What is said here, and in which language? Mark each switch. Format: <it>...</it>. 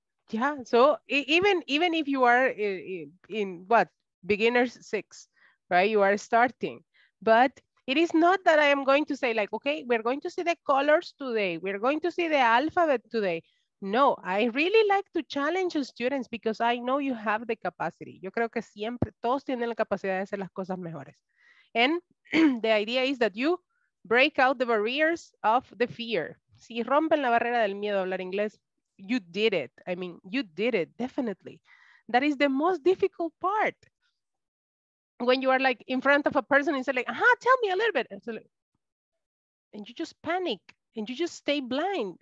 <en>Yeah, so even if you are in what? Beginner's six, right? You are starting, but it is not that I am going to say like, okay, we're going to see the colors today. We're going to see the alphabet today. No, I really like to challenge students because I know you have the capacity.</en> <es>Yo creo que siempre todos tienen la capacidad de hacer las cosas mejores.</es> <en>And the idea is that you break out the barriers of the fear.</en> <es>Si rompen la barrera del miedo a hablar inglés,</es> <en>you did it. I mean, you did it, definitely. That is the most difficult part. When you are like in front of a person and say like, aha, tell me a little bit. And, so like, and you just panic and you just stay blind.</en>